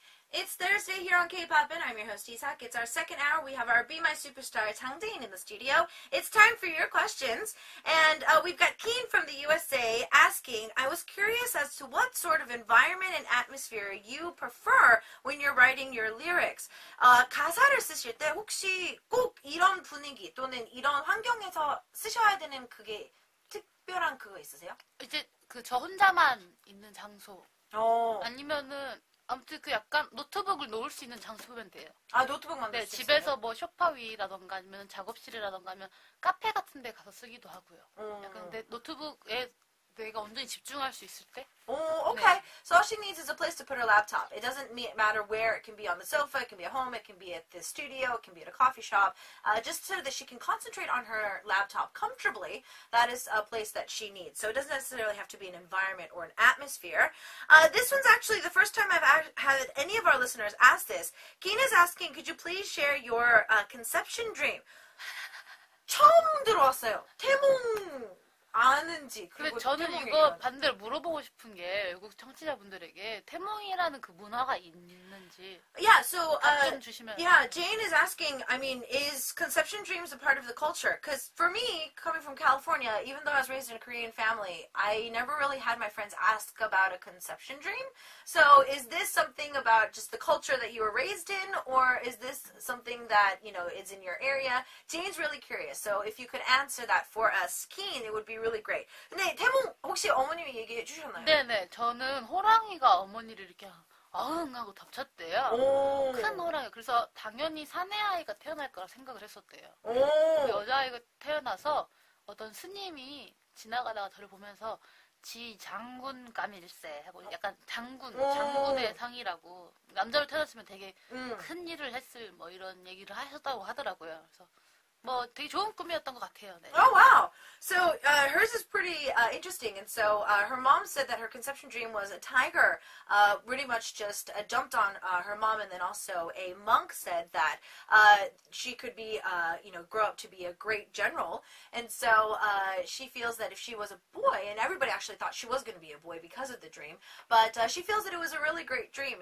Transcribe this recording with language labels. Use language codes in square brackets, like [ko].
[en] It's Thursday here on K-Pop, and I'm your host, Isak. It's our second hour. We have our Be My Superstar, Chang Dae-in, in the studio. It's time for your questions. And we've got Keen from the USA asking, I was curious as to what sort of environment and atmosphere you prefer when you're writing your lyrics. [ko] 가사를 쓰실 때 혹시 꼭 이런 분위기 또는 이런 환경에서 쓰셔야 되는 그게 특별한 그거 있으세요? 이제 그 저 혼자만 있는 장소. 아니면은 아무튼 그 약간 노트북을 놓을 수 있는 장소면 돼요. 아 노트북만 네, 집에서 있어요? 뭐 소파 위라던가 아니면 작업실이라던가 하면 카페 같은 데 가서 쓰기도 하고요. 약간 내 노트북에 내가 온전히 집중할 수 있을 때. [en] Okay. [ko] 네. [en] So all she needs is a place to put her laptop. It doesn't matter where. It can be on the sofa, it can be at home, it can be at the studio, it can be at a coffee shop. Just so that she can concentrate on her laptop comfortably, that is a place that she needs. So it doesn't necessarily have to be an environment or an atmosphere. This one's actually the first time I've had any of our listeners ask this. Keena's asking, could you please share your conception dream? [ko] 처음 들어왔어요. 태몽... 아는지 근데 저는 이거 반대로 물어보고 싶은 게 외국 청취자분들에게 태몽이라는 그 문화가 있는지 [en] yeah, so, [ko] 답 좀 주시면 [en] Yeah, Jane is asking, I mean, is conception dreams a part of the culture? Because for me, coming from California, even though I was raised in a Korean family, I never really had my friends ask about a conception dream. So is this something about just the culture that you were raised in? Or is this something that, you know, is in your area? Jane's really curious. So if you could answer that for us, Keen, it would be really great. [ko] 근데 태몽 혹시 어머님이 얘기해 주셨나요? 네네. 저는 호랑이가 어머니를 이렇게 아응 하고 덮쳤대요. 오. 큰 호랑이. 그래서 당연히 사내 아이가 태어날 거라 생각을 했었대요. 오. 여자아이가 태어나서 어떤 스님이 지나가다가 저를 보면서 지 장군 감일세 하고 약간 장군 장군의 상이라고 남자로 태어났으면 되게 큰 일을 했을 뭐 이런 얘기를 하셨다고 하더라고요. 그래서 뭐 되게 좋은 꿈이었던 것 같아요. 네. [en] Oh wow. So hers is pretty interesting. And so her mom said that her conception dream was a tiger. Pretty much just jumped on her mom, and then also a monk said that she could be you know grow up to be a great general. And so she feels that if she was a boy, and everybody actually thought she was going to be a boy because of the dream, but she feels that it was a really great dream.